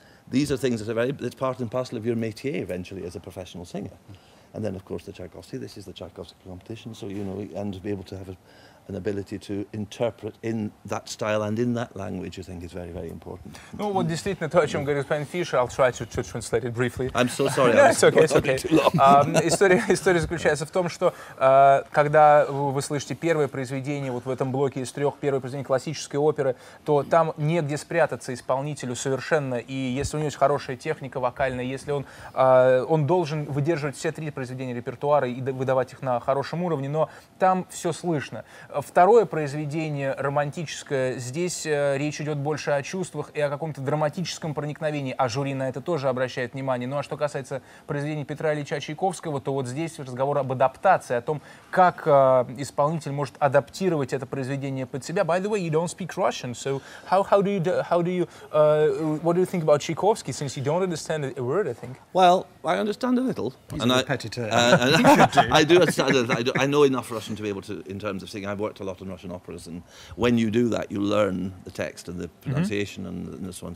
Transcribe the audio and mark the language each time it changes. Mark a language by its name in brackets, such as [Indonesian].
[English] These are things that are it's part and parcel of your métier eventually as a professional singer. And then, of course, the Tchaikovsky. This is the Tchaikovsky competition, so, you know, and to be able to have an ability to interpret in that style and in that language, I think, is very, very important. [Russian] Ну, вот действительно то, о чем говорит господин Фишер, [English] I'll try to translate it briefly. I'm so sorry. No, it's okay, it's okay. [Russian] История заключается в том, что когда вы слышите первое произведение вот в этом блоке из трех, первое произведение классической оперы, то там негде спрятаться исполнителю совершенно, и если у него есть хорошая техника вокальная, если он должен выдерживать все три произведения репертуара и выдавать их на хорошем уровне, но там все слышно. Второе произведение, романтическое, здесь речь идет больше о чувствах и о каком-то драматическом проникновении, а жюри на это тоже обращает внимание. Ну а что касается произведения Петра Ильича Чайковского, то вот здесь разговор об адаптации, о том, как исполнитель может адаптировать это произведение под себя. [English] By the way, you don't speak Russian, so what do you think about Чайковский, since you don't understand a word, I think? Well, I understand a little. He's and a repetitor. I do understand that. I know enough Russian to be able to, in terms of singing. I've worked a lot in Russian operas, and when you do that, you learn the text and the pronunciation mm-hmm. and so on.